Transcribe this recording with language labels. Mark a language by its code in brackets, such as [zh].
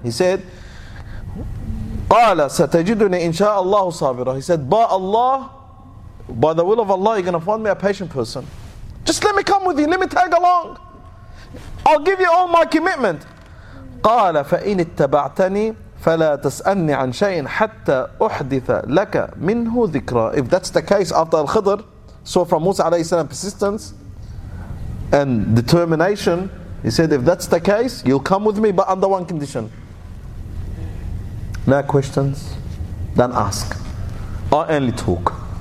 [en] He said, [ar] قَالَ سَتَجِدُنِي إِنْ شَاءَ اللَّهُ صَابِرًا. [en] He said, by Allah, by the will of Allah, you're going to find me a patient person. Just let me come with you. Let me tag along. I'll give you all my commitment. [ar] قَالَ فَإِنِ اتَّبَعْتَنِي فلا تسألني عن شيء حتى أحدث لك منه ذكرى. [en] If that's the case after Al-Khidr, so from Musa alayhi salam, persistence and determination, he said, if that's the case, you'll come with me, but under one condition. No questions, don't ask. I only talk.